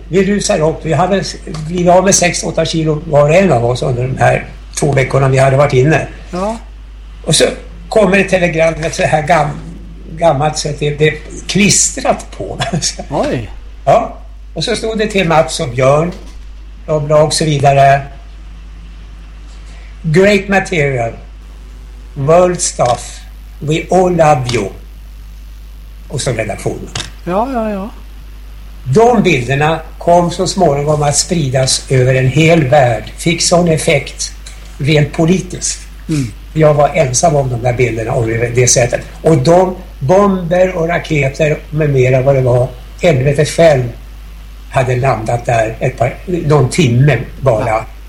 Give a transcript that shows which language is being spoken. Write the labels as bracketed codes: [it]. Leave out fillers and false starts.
[sv] Vi rusar upp, vi hade blivit av med 6-8 kilo var och en av oss under de här 2 veckorna vi hade varit inne. Ja. Och så kommer ett telegram med så här gammalt så att det är klistrat på. Oj. Ja. Och så stod det till Mats och Björn och så vidare. [en] Great material, world stuff, we all love you. [sv] Och som redaktion. Ja, ja, ja. De bilderna kom så småningom att spridas över en hel värld. Fick sån effekt rent politiskt. Mm. Jag var ensam om de där bilderna och det sättet. Och de bomber och raketer med mera vad det var, helvete själv hade landat där någon timme bara. Ja.